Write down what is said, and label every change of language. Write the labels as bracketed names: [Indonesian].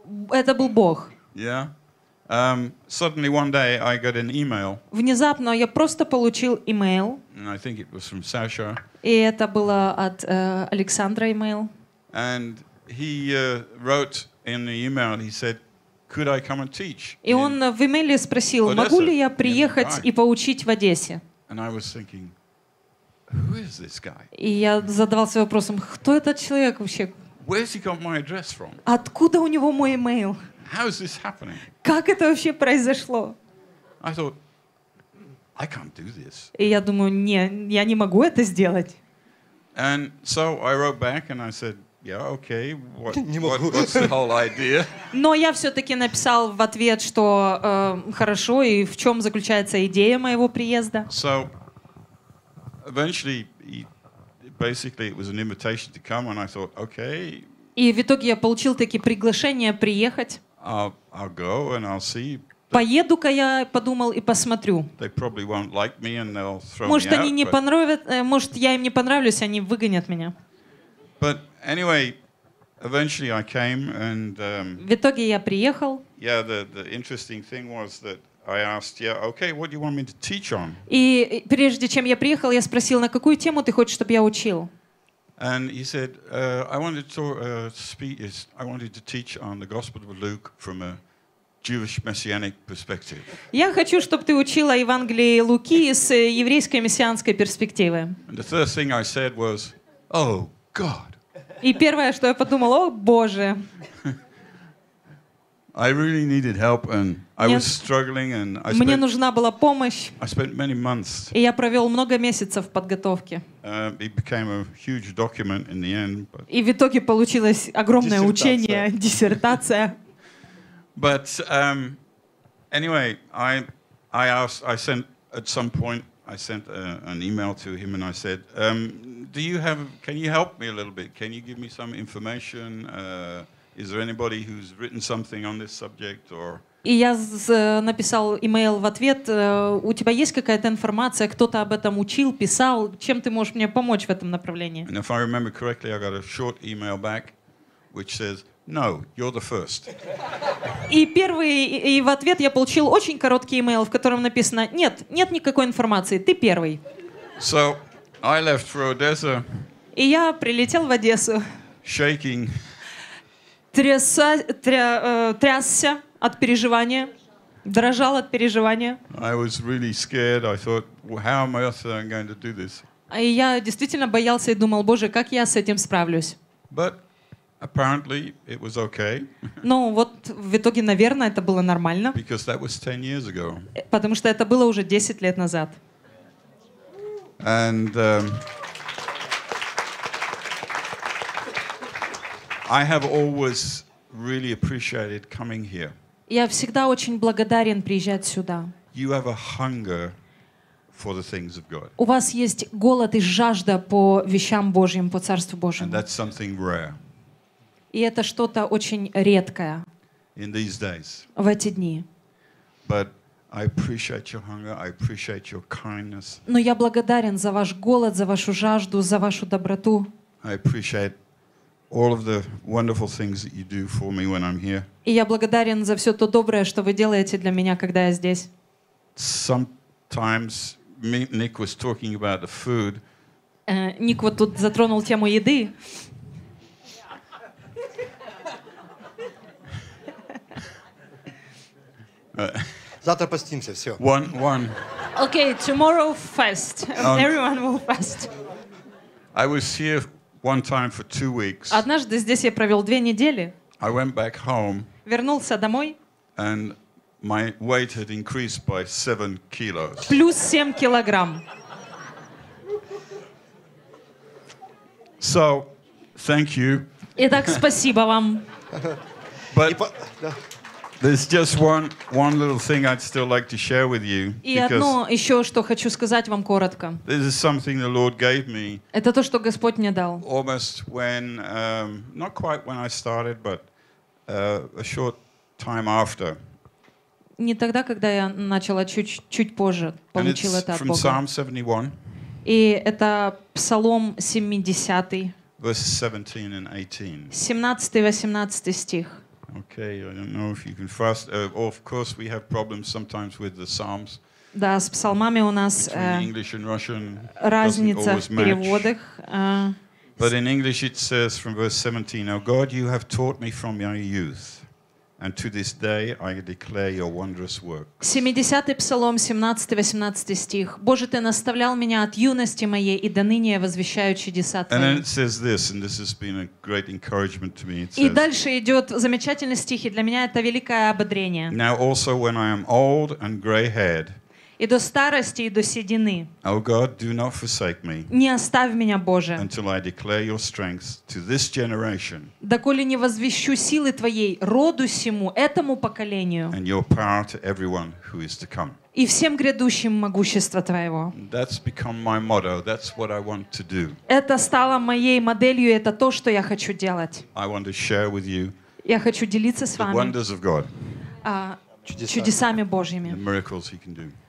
[Russian] это был Бог. [English] Yeah. Suddenly one day I got an email. [Russian] Внезапно я просто получил email. [English] And I think it was from Sasha. [Russian] И это было от Александра email. [English] And he wrote in the email, he said, could I come and teach? [Russian] И он в имейле спросил, могу ли я приехать и поучить в Одессе? [English] And I was thinking, who is this guy? [Russian] И я задавался вопросом, кто этот человек вообще? [English] Where has he got my address from? [Russian] Откуда у него мой email? [English] How is this happening? [Russian] Как это вообще произошло? [English] I thought, I can't do this. [Russian] И я думаю, не, я не могу это сделать. [English] And so I wrote back and I said, yeah, okay, what's the whole idea? [Russian] Но я все-таки написал в ответ, что хорошо, и в чем заключается идея моего приезда. [English] So eventually, basically, it was an invitation to come, and I thought, okay. [Russian] И в итоге я получил таки приглашение приехать. [English] I'll go and I'll see. [Russian] Поеду-ка я, подумал и посмотрю. [English] They probably won't like me and they'll throw [Russian] может, [English] me out. [Russian] Может, они не понравят, может, я им не понравлюсь, они выгонят меня. [English] But anyway, eventually I came and. [Russian] В итоге я приехал. [English] Yeah, the interesting thing was that I asked, yeah, okay, what do you want me to teach on? [Russian] И прежде чем я приехал, я спросил, на какую тему ты хочешь, чтобы я учил? [English] And he said, I wanted to teach on the Gospel of Luke from a Jewish messianic perspective. [Russian] Я хочу, чтобы ты учила Евангелие Луки с еврейской мессианской перспективы. [English] And the first thing I said was, oh God. [Russian] И первое, что я подумал, о Боже. [English] I really needed help and I was struggling and I [Russian] Мне нужна была помощь. [English] I spent many months. [Russian] И я провел много месяцев подготовки. [English] It became a huge document in the end. But [Russian] и в итоге получилось огромное учение, диссертация. [English] But anyway, I sent an email to him and I said, can you help me a little bit? Can you give me some information? Is there anybody who's written something on this subject or? [Russian] И я написал email в ответ, у тебя есть какая-то информация, кто-то об этом учил, писал, чем ты можешь мне помочь в этом направлении? [English] And if I remember correctly, I got a short email back, which says, no, you're the first. [Russian] И первый, и в ответ я получил очень короткий email, в котором написано, нет, нет никакой информации, ты первый. [English] So, I left for Odessa. [Russian] И я прилетел в Одессу. [English] Shaking. [Russian] Трясся. От переживания, дрожал от переживания. [English] I was really scared. I thought, how on earth am I going to do this? [Russian] И я действительно боялся и думал, Боже, как я с этим справлюсь? [English] But apparently it was okay. [Russian] Ну вот в итоге, наверное, это было нормально. [English] Because that was 10 years ago. [Russian] Потому что это было уже 10 лет назад. [English] And I have always really appreciated coming here. [Russian] Я всегда очень благодарен приезжать сюда. [English] You have a hunger for the things of God. [Russian] У вас есть голод и жажда по вещам Божьим, по Царству Божьему. [English] And that's something rare. [Russian] И это что-то очень редкое. [English] In these days. [Russian] В эти дни. [English] But I appreciate your hunger, I appreciate your kindness. [Russian] Но я благодарен за ваш голод, за вашу жажду, за вашу доброту. [English] I appreciate all of the wonderful things that you do for me when I'm here. [Russian] И я благодарен за все то доброе, что вы делаете для меня, когда я здесь. [English] Sometimes Nick was talking about the food. [Russian] Ник вот тут затронул тему еды. Завтра постимся, все. [English] One. Okay, tomorrow fast. Everyone will fast. I was here one time for 2 weeks. [Russian] Однажды здесь я провел 2 недели. [English] I went back home. [Russian] Вернулся домой. [English] And my weight had increased by 7 kilos. [Russian] Плюс 7 килограмм. [English] So, thank you. [Russian] Итак, спасибо вам. [English] But there's just one little thing I'd still like to share with you. [Russian] И одно еще, что хочу сказать вам коротко. [English] This is something the Lord gave me. [Russian] Это то, что Господь мне дал. [English] Almost when, not quite when I started, but a short time after. [Russian] Не тогда, когда я начал, а чуть позже получил это от Бога. [English] And it's from Psalm 71. [Russian] И это Псалом 70. [English] Verses 17 and 18. [Russian] 17-18 стих. [English] Okay, I don't know if you can fast. Of course, we have problems sometimes with the Psalms. [Russian] Да, с псалмами у нас разница в переводах. [English] But in English it says from verse 17, O God, you have taught me from my youth, and to this day I declare your wondrous works. [Russian] 70-й псалом, 17-18 стих. Боже, ты наставлял меня от юности моей, и до ныне я возвещаю чудеса твои. [English] And then it says this, and this has been a great encouragement to me. It says, [Russian] и дальше идет замечательный стих, и для меня это великое ободрение. [English] Now also when I am old and gray-haired, [Russian] и до старости, и до седины. [English] O God, do not forsake me, [Russian] не оставь меня, Боже, [English] until I declare your strength to this generation, [Russian] доколе не возвещу силы Твоей роду сему, этому поколению, [English] and your power to everyone who is to come. [Russian] И всем грядущим могущество Твоего. [English] That's become my motto. That's what I want to do. [Russian] Это стало моей моделью, это то, что я хочу делать. [English] I want to share with you, [Russian] я хочу делиться с вами [English] wonders of God, [Russian] чудесами Божьими. [English] The miracles he can do.